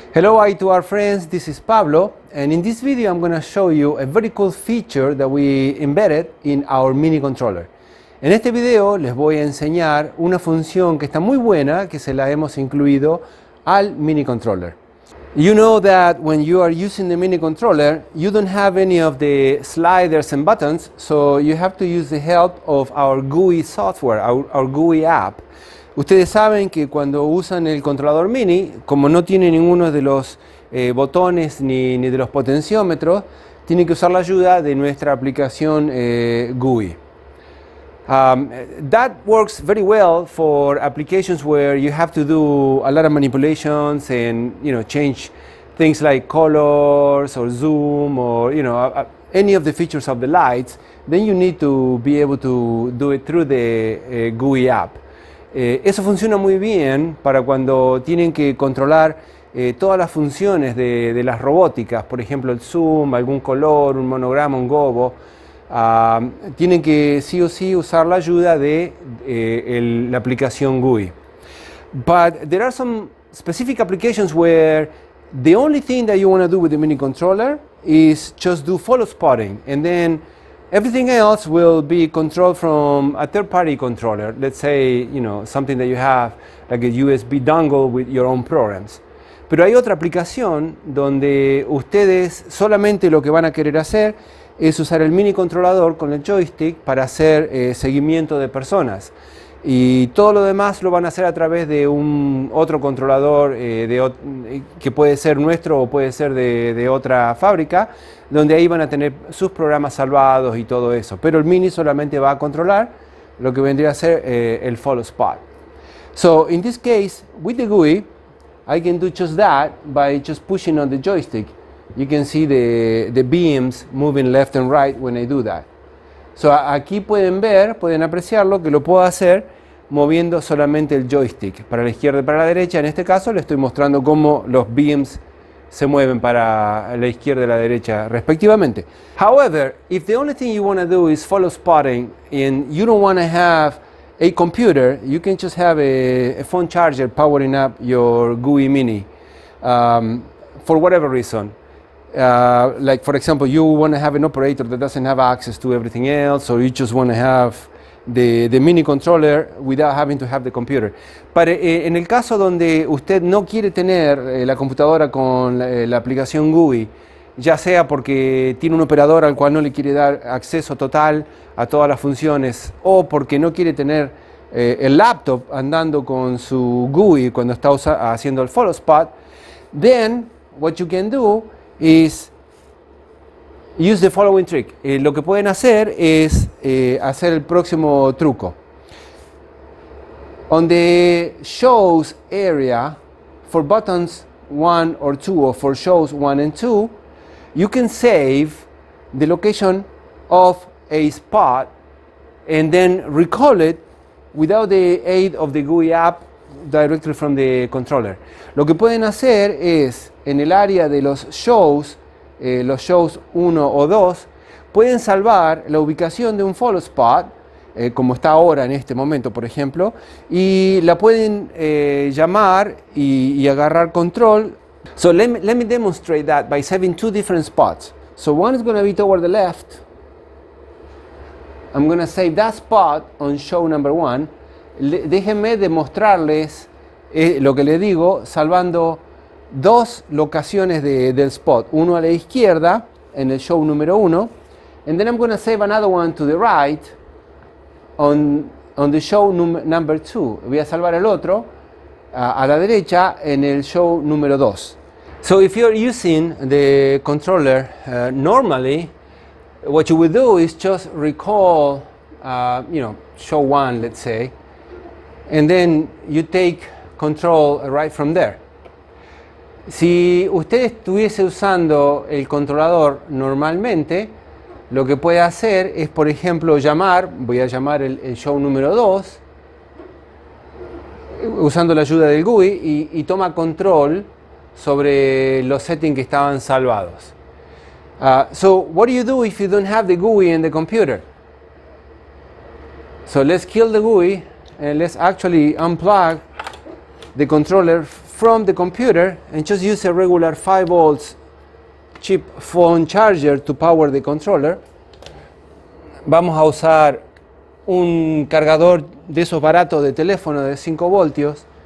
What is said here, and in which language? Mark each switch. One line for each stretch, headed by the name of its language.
English: Hello i2r friends, this is Pablo, and in this video I'm going to show you a very cool feature that we embedded in our mini controller.
Spanish: En este video les voy a enseñar una función que está muy buena, que se la hemos incluido al mini controller.
English: You know that when you are using the mini controller, you don't have any of the sliders and buttons, so you have to use the help of our GUI software, our GUI app.
Spanish: Ustedes saben que cuando usan el controlador mini, como no tiene ninguno de los botones ni de los potenciómetros, tiene que usar la ayuda de nuestra aplicación GUI.
English: That works very well for applications where you have to do a lot of manipulations and, you know, change things like colors or zoom or, you know, any of the features of the lights. Then you need to be able to do it through the GUI app.
Spanish: Eso funciona muy bien para cuando tienen que controlar todas las funciones de las robóticas, por ejemplo el zoom, algún color, un monograma, un gobo. Tienen que sí o sí usar la ayuda de la aplicación GUI.
English: But there are some specific applications where the only thing that you want to do with the mini controller is just do follow spotting, and then everything else will be controlled from a third-party controller. Let's say, you know, something that you have, like a USB dongle with your own programs.
Spanish: Pero hay otra aplicación donde ustedes solamente lo que van a querer hacer es usar el mini controlador con el joystick para hacer seguimiento de personas. Y todo lo demás lo van a hacer a través de un otro controlador que puede ser nuestro o puede ser de otra fábrica, donde ahí van a tener sus programas salvados y todo eso. Pero el mini solamente va a controlar lo que vendría a ser el follow spot.
English: So, in this case, with the GUI, I can do just that by just pushing on the joystick. You can see the beams moving left and right when I do that.
Spanish: So, aquí pueden ver, pueden apreciarlo, que lo puedo hacer moviendo solamente el joystick para la izquierda y para la derecha. En este caso, le estoy mostrando cómo los beams se mueven para la izquierda y la derecha, respectivamente.
English: However, if the only thing you want to do is follow spotting and you don't want to have a computer, you can just have a phone charger powering up your GUI Mini for whatever reason. Like, for example, you want to have an operator that doesn't have access to everything else, or you just want to have the mini controller without having to have the computer.
Spanish: Pero en el caso donde usted no quiere tener la computadora con la aplicación GUI, ya sea porque tiene un operador al cual no le quiere dar acceso total a todas las funciones, o porque no quiere tener el laptop andando con su GUI cuando está haciendo el follow spot,
English: then what you can do is use the following trick.
Spanish: Lo que pueden hacer es hacer el próximo truco.
English: On the shows area for buttons 1 or 2 or for shows 1 and 2, you can save the location of a spot and then recall it without the aid of the GUI app directly from the controller.
Spanish: Lo que pueden hacer es, en el área de los shows 1 o 2, pueden salvar la ubicación de un follow spot, como está ahora en este momento, por ejemplo, y la pueden llamar y agarrar control.
English: So let me demonstrate that by saving two different spots. So one is going to be toward the left. I'm going to save that spot on show number 1.
Spanish: Déjenme demostrarles lo que le digo, salvando dos locaciones del spot, uno a la izquierda en el show número 1,
English: and then I'm going to save another one to the right on the show number 2.
Spanish: Voy a salvar el otro a la derecha en el show número 2.
English: So if you're using the controller normally, what you will do is just recall show 1, let's say, and then you take control right from there.
Spanish: Si usted estuviese usando el controlador normalmente, lo que puede hacer es, por ejemplo, llamar, voy a llamar el show número 2, usando la ayuda del GUI, y toma control sobre los settings que estaban salvados.
English: So, what do you do if you don't have the GUI in the computer? So, let's kill the GUI, and let's actually unplug the controller from the computer and just use a regular 5 volts cheap phone charger to power the controller.
Spanish: Vamos a usar un cargador de esos baratos de teléfono de 5 voltios.